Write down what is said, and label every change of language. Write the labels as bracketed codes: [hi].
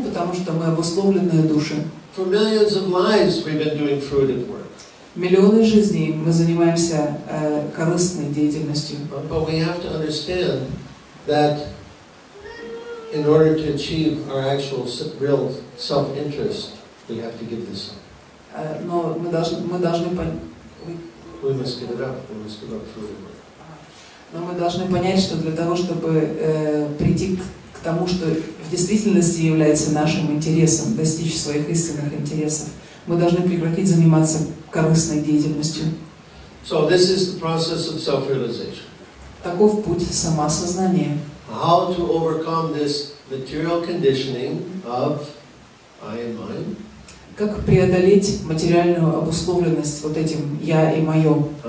[ru] Потому что мы обусловленные души. [en] For millions of lives we've been doing fruitive work. [ru] Миллионы жизней мы занимаемся корыстной деятельностью. [en] But we have to understand that in order to achieve our actual real self-interest, we have to give this up. [ru] Но мы должны [en] We must give it up. We must give up fruitive work. [ru] Но мы должны понять, что для того, чтобы прийти к тому, что в действительности является нашим интересом, достичь своих истинных интересов, мы должны прекратить заниматься корыстной деятельностью. [en] So this is the process of self-realization. [ru] Таков путь самосознания. [en] How to overcome this material conditioning of I and mine? [ru] Как преодолеть материальную обусловленность вот этим «я» и «моё»?